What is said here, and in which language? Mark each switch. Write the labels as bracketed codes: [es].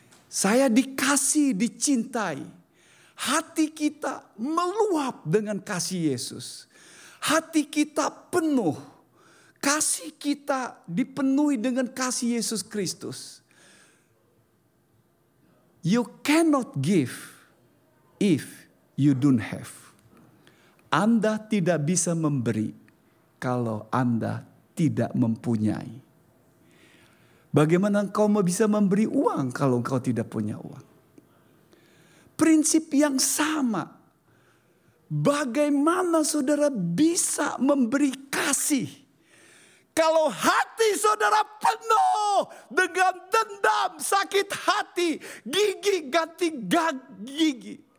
[id] Saya dikasihi, dicintai. Hati kita meluap dengan kasih Yesus. Hati kita penuh. Kasih kita dipenuhi dengan kasih Yesus Kristus. [en] You cannot give if you don't have. [id] Anda tidak bisa memberi kalau Anda tidak mempunyai. Bagaimana engkau bisa memberi uang kalau engkau tidak punya uang? Prinsip yang sama. Bagaimana saudara bisa memberi kasih kalau hati saudara penuh dengan dendam, sakit hati, gigi ganti gigi.